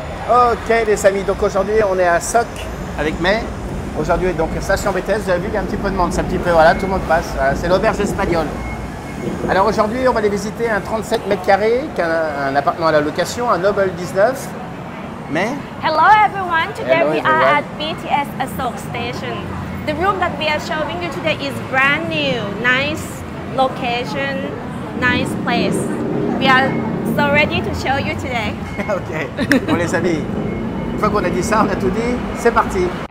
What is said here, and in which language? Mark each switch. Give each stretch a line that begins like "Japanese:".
French: Ok les amis, donc aujourd'hui on est à Soc avec May. Aujourd'hui donc station BTS, vous avez vu il y a un petit peu de monde, c'est un petit peu, voilà, tout le monde passe, voilà, c'est l'auberge espagnole. Alors aujourd'hui on va aller visiter un 37 mètres carrés, un appartement à la location, un Noble 19. May.
English: Hello everyone, today Hello, we everyone. Are at BTS Soc station. The room that we are showing you today is brand new, nice location, nice place. We are so ready to show you today.
French: Ok, bon les amis, une fois qu'on a dit ça, on a tout dit, c'est parti.